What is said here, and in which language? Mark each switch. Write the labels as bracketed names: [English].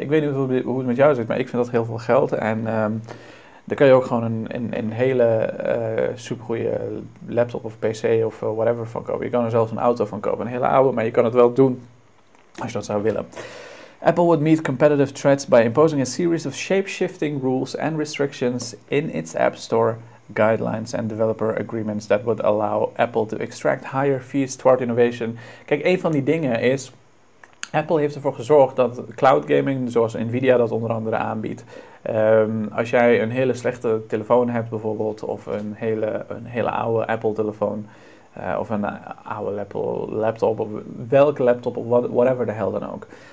[Dutch] Ik weet niet hoe het met jou zit, maar ik vind dat heel veel geld. En daar kan je ook gewoon een hele supergoeie laptop of pc of whatever van kopen. Je kan er zelfs een auto van kopen, een hele oude, maar je kan het wel doen als je dat zou willen. [English] Apple would meet competitive threats by imposing a series of shape-shifting rules and restrictions in its App Store guidelines and developer agreements that would allow Apple to extract higher fees toward innovation. [Dutch] Kijk, een van die dingen is, Apple heeft ervoor gezorgd dat cloud gaming, zoals Nvidia dat onder andere aanbiedt, als jij een hele slechte telefoon hebt bijvoorbeeld, of een hele oude Apple telefoon, of een oude Apple laptop, of welke laptop, of whatever de hel dan ook.